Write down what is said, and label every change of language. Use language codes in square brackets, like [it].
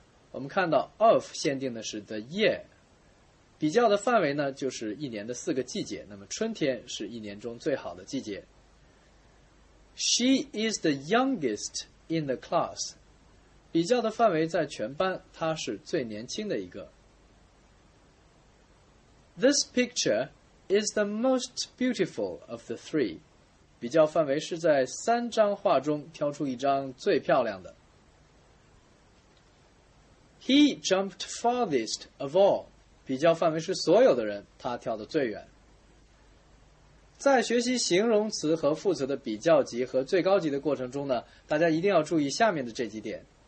[zh] 我们看到 of 限定的是 the year， 比较的范围呢就是一年的四个季节，那么春天是一年中最好的季节。 [en] She is the youngest in the class. [zh] 比较的范围在全班，她是最年轻的一个。 [en] This picture is the most beautiful of the three. [zh] 比较范围是在三张画中挑出一张最漂亮的。 [en] He jumped farthest of all， [zh] 比较范围是所有的人，他跳得最远。在学习形容词和副词的比较级和最高级的过程中呢，大家一定要注意下面的这几点。